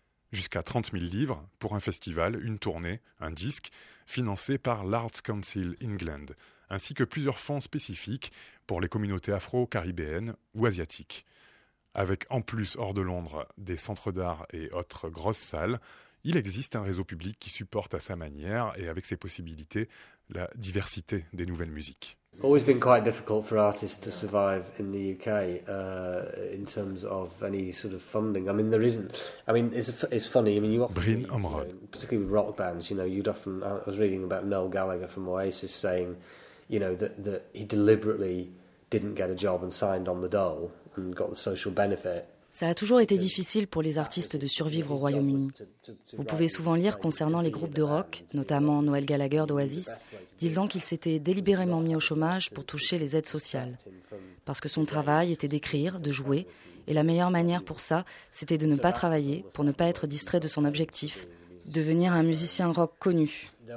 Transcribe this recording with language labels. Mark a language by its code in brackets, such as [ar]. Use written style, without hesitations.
[fr] Jusqu'à 30 000 livres pour un festival, une tournée, un disque, financé par l'Arts Council England, ainsi que plusieurs fonds spécifiques pour les communautés afro-caribéennes ou asiatiques. Avec en plus hors de Londres des centres d'art et autres grosses salles, il existe un réseau public qui supporte à sa manière et avec ses possibilités la diversité des nouvelles musiques. [en] Always been quite difficult for artists to survive in the UK in terms of any sort of funding. I mean, there isn't. I mean, it's funny. I mean, you often Bryn Omrod, particularly with rock bands, you know, you'd often. I was reading about Noel Gallagher from Oasis saying, you know, that he deliberately didn't get a job and signed on the dole and got the social benefit. [fr] Ça a toujours été difficile pour les artistes de survivre au Royaume-Uni. Vous pouvez souvent lire concernant les groupes de rock, notamment Noël Gallagher d'Oasis, disant qu'il s'était délibérément mis au chômage pour toucher les aides sociales. Parce que son travail était d'écrire, de jouer, et la meilleure manière pour ça, c'était de ne pas travailler, pour ne pas être distrait de son objectif, devenir un musicien rock connu.